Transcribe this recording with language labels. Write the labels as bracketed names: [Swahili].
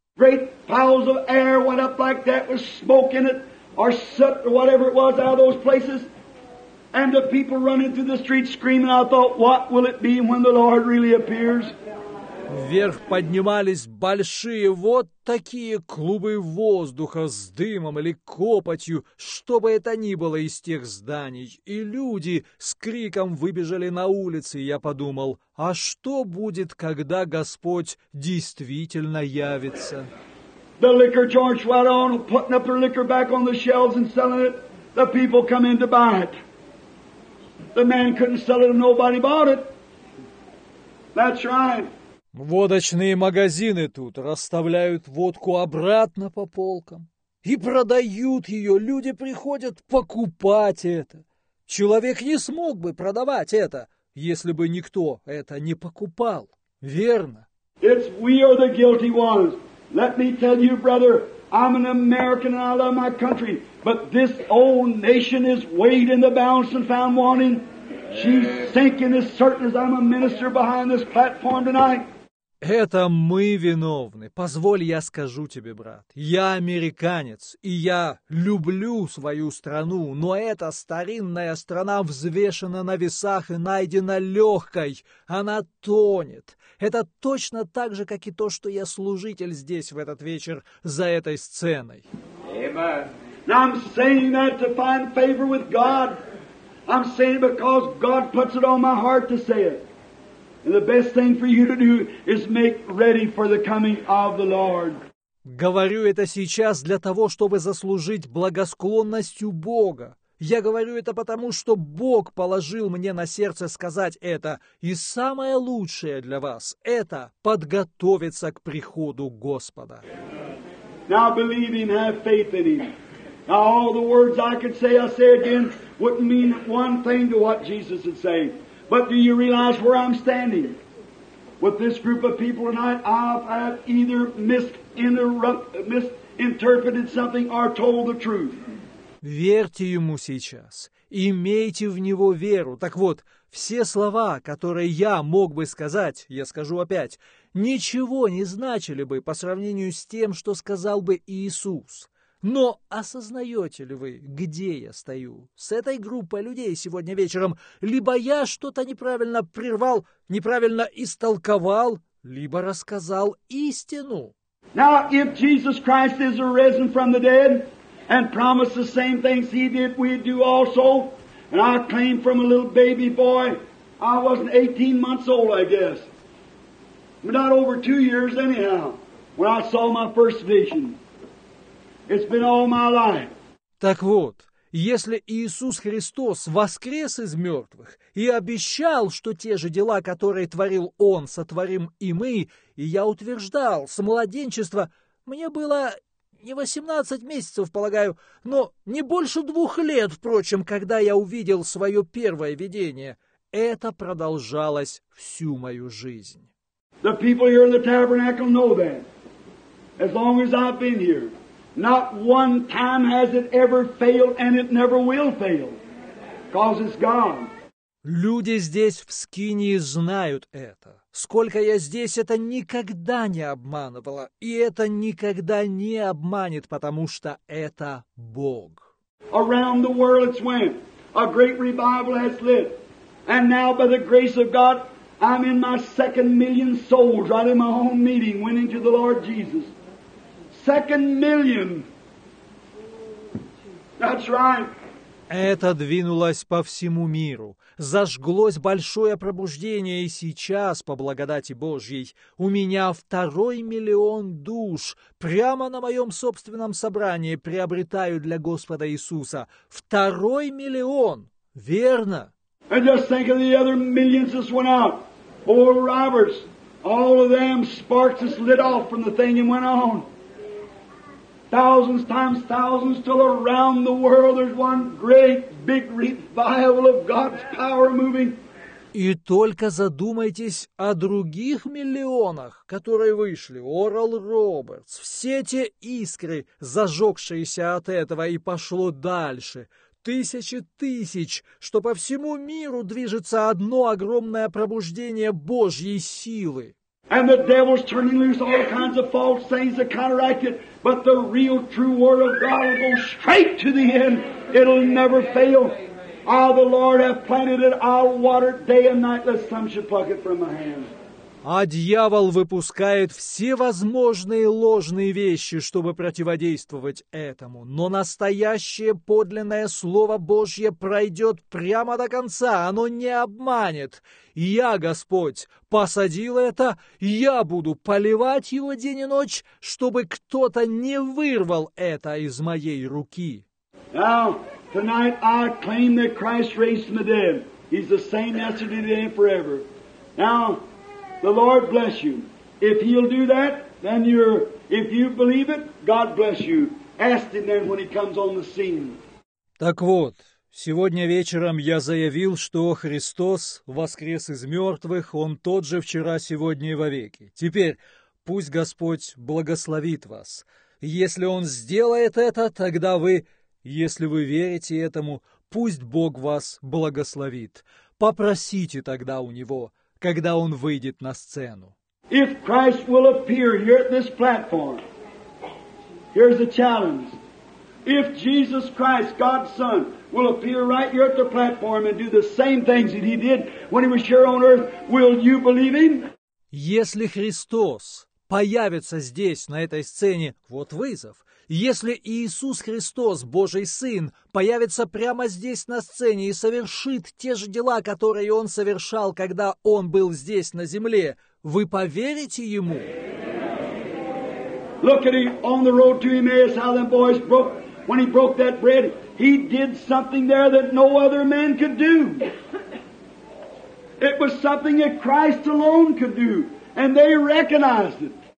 [English] Great piles of air went up like that with smoke in it, or soot, or whatever it was, out of those places. And the people running through the streets screaming, I thought, what will it be when the Lord really appears? [Russian] Вверх поднимались большие вот такие клубы воздуха с дымом или копотью, что бы это ни было из тех зданий. И люди с криком выбежали на улицы, и я подумал, а что будет, когда Господь действительно явится? [English] The liquor joints went on, putting up their liquor back on the shelves and selling it. The people come in to buy it. The man couldn't sell it and nobody bought it. That's right. [Russian] Водочные магазины тут расставляют водку обратно по полкам и продают ее. Люди приходят покупать это. Человек не смог бы продавать это, если бы никто это не покупал. Верно? [English] It's we are the guilty ones. Let me tell you, brother, I'm an American and I love my country. But this old nation is weighed in the balance and found wanting. She's sinking as certain as I'm a minister behind this platform tonight. [Russian] Это мы виновны. Позволь, я скажу тебе, брат. Я американец, и я люблю свою страну, но эта старинная страна взвешена на весах и найдена легкой. Она тонет. Это точно так же, как и то, что я служитель здесь в этот вечер за этой сценой. [English] Amen. I'm saying that to find favor with God. I'm saying it because God puts it on my heart to say it. And the best thing for you to do is make ready for the coming of the Lord. [Russian] Говорю это сейчас для того, чтобы заслужить благосклонность у Бога. Я говорю это потому, что Бог положил мне на сердце сказать это. И самое лучшее для вас – это подготовиться к приходу Господа. [English] Now believe Him, have faith in Him. Now all the words I could say, I say again, wouldn't mean one thing to what Jesus would say. But do you realize where I'm standing? With this group of people tonight, I've either misinterpreted something or told the truth. [Russian] Верьте ему сейчас. Имейте в него веру. Так вот, все слова, которые я мог бы сказать, я скажу опять, ничего не значили бы по сравнению с тем, что сказал бы Иисус. Но осознаете ли вы, где я стою с этой группой людей сегодня вечером? Либо я что-то неправильно прервал, неправильно истолковал, либо рассказал истину. [English] Now, if Jesus Christ is arisen from the dead and promised the same things He did, we do also. And I claim from a little baby boy, I wasn't 18 months old, I guess. But not over 2 years anyhow, when I saw my first vision. It's been all my life. [Russian] Так вот, Если Иисус Христос воскрес из мертвых и обещал, что те же дела, которые творил Он, сотворим и мы, и я утверждал, с младенчества мне было не 18 месяцев, полагаю, но не больше 2 лет, впрочем, когда я увидел свое первое видение, это продолжалось всю мою жизнь. [English] The people here in the tabernacle know that. As long as I've been here, not one time has it ever failed, and it never will fail, because it's God. [Russian] Люди здесь, в Скинии, знают это. Сколько я здесь, это никогда не обманывало, и это никогда не обманет, потому что это Бог. [English] Around the world it's went. A great revival has lit. And now, by the grace of God, I'm in my 2nd million souls, right in my home meeting, went into the Lord Jesus. 2nd million. That's right. [Russian] Это двинулось по всему миру. Зажглось большое пробуждение, и сейчас, по благодати Божьей, у меня 2 миллион душ прямо на моем собственном собрании приобретаю для Господа Иисуса. 2 миллион! Верно? [English] And just think of the other millions that went out. Oral Roberts, all of them sparks just lit off from the thing and went on. Thousands times thousands till around the world there's one great big revival of God's power moving. [Russian] И только задумайтесь о других миллионах, которые вышли, Орал Робертс, все те искры, зажегшиеся от этого, и пошло дальше. Тысячи тысяч, что по всему миру движется одно огромное пробуждение Божьей силы. [English] And the devil's turning loose all kinds of false things to counteract it, but the real true word of God will go straight to the end. It'll never fail. Ah, the Lord hath planted it, I'll water it day and night, lest some should pluck it from my hand. [Russian] А дьявол выпускает всевозможные ложные вещи, чтобы противодействовать этому. Но настоящее подлинное Слово Божье пройдет прямо до конца, оно не обманет. Я, Господь, посадил это, я буду поливать его день и ночь, чтобы кто-то не вырвал это из моей руки. [English] Now, tonight I claim that Christ raised from the dead. He's the same yesterday, today, and forever. Now, the Lord bless you. If He'll do that, then you're, if you believe it, God bless you. Ask Him then when He comes on the scene. [Russian] Так вот, сегодня вечером я заявил, что Христос воскрес из мертвых, Он тот же вчера, сегодня и вовеки. Теперь пусть Господь благословит вас. Если Он сделает это, тогда вы, если вы верите этому, пусть Бог вас благословит. Попросите тогда у Него, когда Он выйдет на сцену. [English] If Christ will appear here at this platform, here's the challenge. If Jesus Christ, God's Son, will appear right here at the platform and do the same things that He did when He was here on earth, will you believe Him? [Russian] Если Христос появится здесь, на этой сцене, вот вызов. Если Иисус Христос, Божий Сын, появится прямо здесь на сцене и совершит те же дела, которые Он совершал, когда Он был здесь на земле, вы поверите Ему? [English] Look at him on the road to Emmaus, how them boys broke, when he broke that bread, he did something there that no other man could do. It was something that Christ alone could do, and they recognized it.